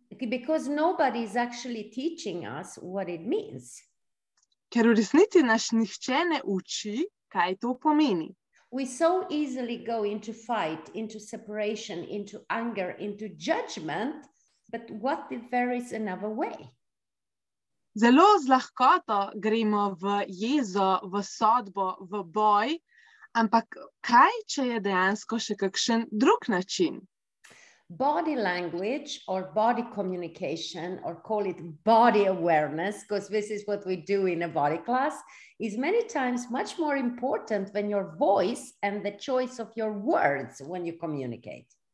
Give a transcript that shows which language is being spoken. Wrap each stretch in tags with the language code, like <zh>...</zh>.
<en>Because nobody is actually teaching us what it means.</en> <sl>Ker v resnici nas nihče ne uči, kaj to pomeni.</sl> <en>We so easily go into fight, into separation, into anger, into judgment, but what if there is another way?</en> <sl>Zelo z lahkoto gremo v jezo, v sodbo, v boj, ampak kaj, če je dejansko še kakšen drug način?</sl> <en>Body language or body communication, or call it body awareness, because this is what we do in a body class, is many times much more important than your voice and the choice of your words when you communicate.</en>